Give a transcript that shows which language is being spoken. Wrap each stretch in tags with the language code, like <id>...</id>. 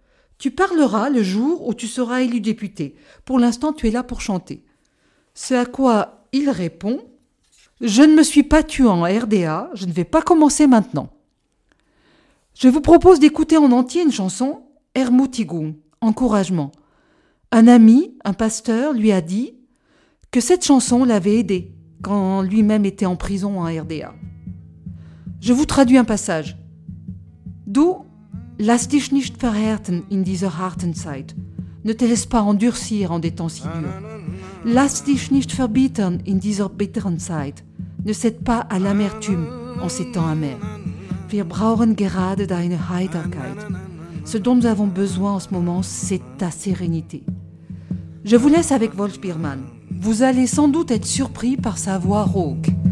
<fr>« Tu parleras le jour où tu seras élu député. Pour l'instant, tu es là pour chanter. » Ce à quoi il répond « Je ne me suis pas tué en RDA, je ne vais pas commencer maintenant. » Je vous propose d'écouter en entier une chanson, « Ermutigung ». Encouragement. Un ami, un pasteur, lui a dit que cette chanson l'avait aidé quand lui-même était en prison en RDA. Je vous traduis un passage.</fr> <de>Du, lass dich nicht verhärten in dieser harten Zeit.</de> <fr>Ne te laisse pas endurcir en des temps si durs.</fr> <de>Lass dich nicht verbittern in dieser bitteren Zeit.</de> <fr>Ne cède pas à l'amertume en ces temps amers.</fr> <de>Wir brauchen gerade deine Heiterkeit.</de> <fr>Ce dont nous avons besoin en ce moment, c'est ta sérénité. Je vous laisse avec Wolf Biermann. Vous allez sans doute être surpris par sa voix rauque.</fr>